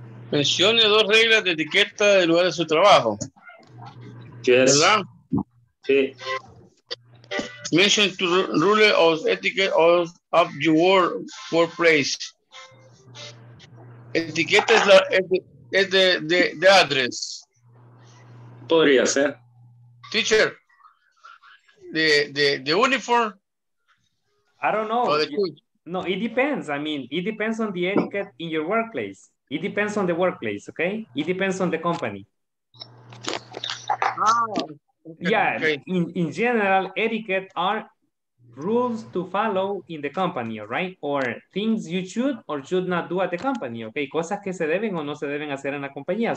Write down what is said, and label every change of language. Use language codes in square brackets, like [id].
[es] Mencione dos reglas de etiqueta del lugar de su trabajo. [en] Yes. [es] ¿Verdad? Sí. [en] Mention two rules of etiquette of your workplace. [es] Etiqueta es, de address. Podría ser. [en] Teacher, the uniform. I don't know. No, it depends. I mean, it depends on the etiquette in your workplace. It depends on the workplace, okay? It depends on the company. Oh, yeah, okay. In general, etiquette are rules to follow in the company, all right? Or things you should or should not do at the company, okay? [es] Cosas que se deben o no se deben hacer en la compañía.